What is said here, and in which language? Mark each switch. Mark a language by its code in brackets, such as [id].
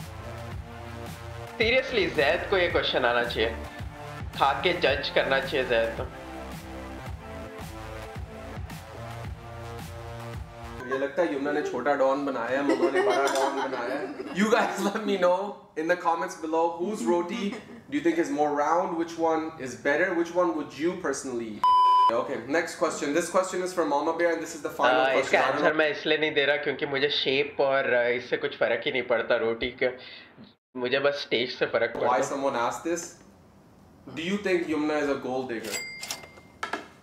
[hi] Seriously Zaid को ये question आना चाहिए, खा के जज करना चाहिए जैद को. ये लगता है यमुना ने छोटा डॉन बनाया, मम्मा ने बड़ा डॉन बनाया. [en] You guys let me know in the comments below whose roti do you think is more round, which one is better, which one would you personally eat? Okay, next question. This question is from Mama Bear and this is the final question. [hi] इसका answer मैं इसलिए नहीं दे रहा क्योंकि मुझे shape और इससे कुछ फर्क ही नहीं पड़ता रोटी के, मुझे बस स्टेज से फर्क पड़ता. [en] Why someone asked this? Do you think Yumna is a gold digger?